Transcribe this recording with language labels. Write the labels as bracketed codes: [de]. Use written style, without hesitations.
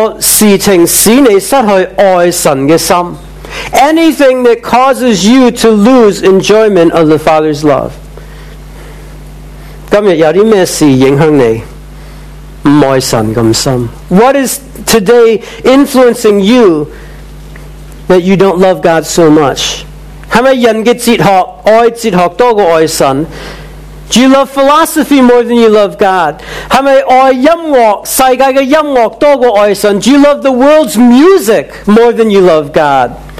[yue] 任何事情使你失去爱神嘅心。 [en] Anything that causes you to lose enjoyment of the Father's love. [yue] 今日有啲咩事影响你唔爱神咁深？ [en] What is today influencing you that you don't love God so much? [yue] 系咪人嘅哲学爱哲学多过爱神？ [en] Do you love philosophy more than you love God? [yue] 系咪爱音乐世界嘅音乐多过爱神？ [en] Do you love the world's music more than you love God?